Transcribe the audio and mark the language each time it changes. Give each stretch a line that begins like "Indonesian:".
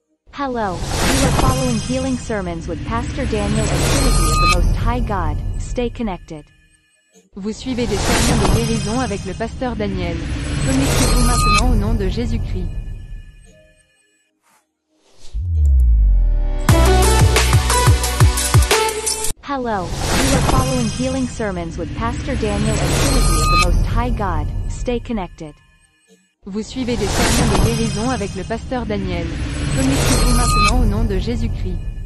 English: Hello, you are following Healing Sermons with Pastor Daniel of Trinity of the Most High God, stay connected.
French: Vous suivez des sermons de guérison avec le pasteur Daniel. Connectez-vous maintenant au nom de Jésus-Christ.
English: Hello, you are following Healing Sermons with Pastor Daniel of Trinity of the Most High God, stay connected.
French: Vous suivez des sermons de guérison avec le pasteur Daniel. Connectez-vous maintenant au nom de Jésus-Christ.